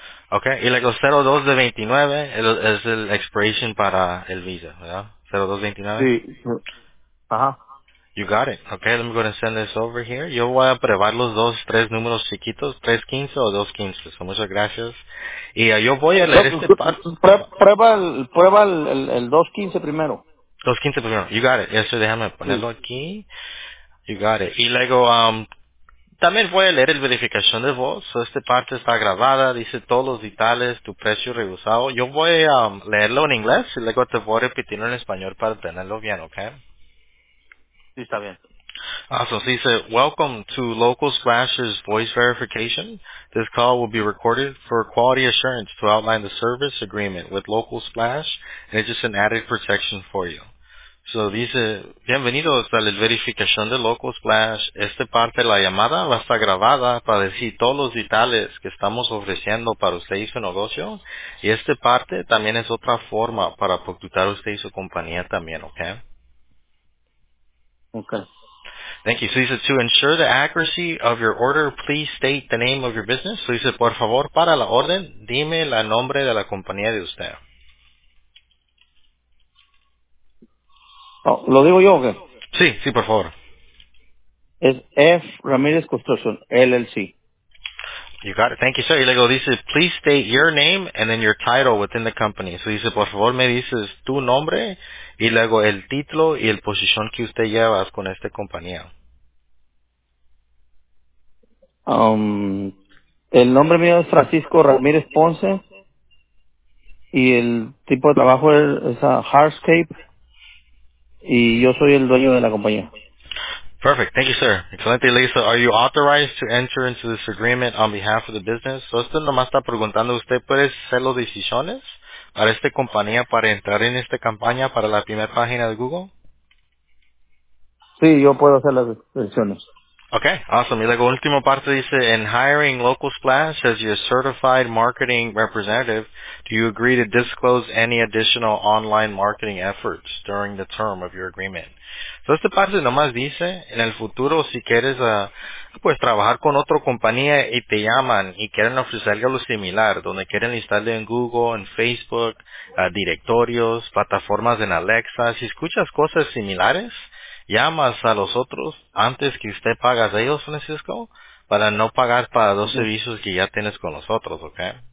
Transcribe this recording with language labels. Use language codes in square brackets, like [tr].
[es] Okay, y luego 02-29 es el expiration para el visa, ¿verdad? 02-29? Sí, ajá. [en] You got it. Okay, let me go and send this over here. [es] Yo voy a probar los dos, tres números chiquitos, 315 o 215. So, muchas gracias. Y yo voy a leer este paso. Prueba el 215 primero. [en] 215 primero. You got it. Yes, sir. [es] Déjame ponerlo aquí. [en] You got it. [es] Y luego, también voy a leer el verificación de voz. So, esta parte está grabada. Dice todos los detalles, tu precio rehusado. Yo voy a leerlo en inglés y luego te voy a repetirlo en español para tenerlo bien, okay? Sí, está bien. [en] Awesome. So, dice, welcome to Local Scratch's voice verification. This call will be recorded for quality assurance to outline the service agreement with Local Splash, and it's just an added protection for you. [es] So dice, bienvenidos a la verificación de Local Splash. Esta parte de la llamada va a estar grabada para decir todos los detalles que estamos ofreciendo para usted y su negocio. Y esta parte también es otra forma para facturar usted y su compañía también, okay? Okay. [en] Thank you. So he said, to ensure the accuracy of your order, please state the name of your business. So he said, [es] por favor, para la orden, dime la nombre de la compañía de usted. Oh, ¿lo digo yo o qué? Sí, sí, por favor. Es F. Ramirez Construction, LLC. [en] You got it. Thank you, sir. [es] Y luego dice, [en] please state your name and then your title within the company. [es] So dice, por favor, me dices tu nombre y luego el título y el posición que usted llevas con esta compañía. El nombre mío es Francisco Ramírez Ponce y el tipo de trabajo es Hardscape y yo soy el dueño de la compañía. [en] Perfect. Thank you, sir. Excelente, Lisa. Are you authorized to enter into this agreement on behalf of the business? [es] So, esto nomás está preguntando, ¿usted puede hacer las decisiones para esta compañía para entrar en esta campaña para la primera página de Google? Sí, yo puedo hacer las decisiones. [en] Okay, awesome. [es] Y luego, última parte dice, [en] in hiring Local Splash as your certified marketing representative, do you agree to disclose any additional online marketing efforts during the term of your agreement? [es] So, esta parte nomás dice, en el futuro, si quieres pues trabajar con otra compañía y te llaman y quieren ofrecerle algo similar, donde quieren listarle en Google, en Facebook, directorios, plataformas en Alexa, si escuchas cosas similares, llamas a los otros antes que usted pagas a ellos, Francisco, para no pagar para dos servicios que ya tienes con los otros, ¿okay?